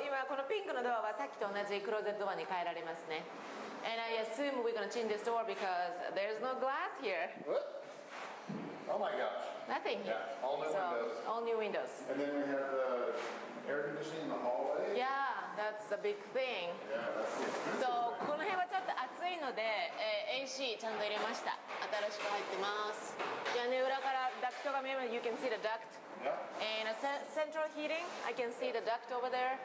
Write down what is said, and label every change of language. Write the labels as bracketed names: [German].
[Japanese] このピンクのドアはさっきと同じクローゼットドアに変えられますね。 [English] And I assume we're going to change this door because there's no glass here. What? Oh my gosh. Nothing. Yeah, all new windows. All new windows. And then we have the air conditioning in the hallway. Yeah, that's a big thing. Yeah, that's so [Japanese] この辺はちょっと暑いので、AC ちゃんと入れました。新しく入ってます。屋根裏からダクトが見えます。 [English] You can see the duct Yeah. And a central heating, I can see the duct over there.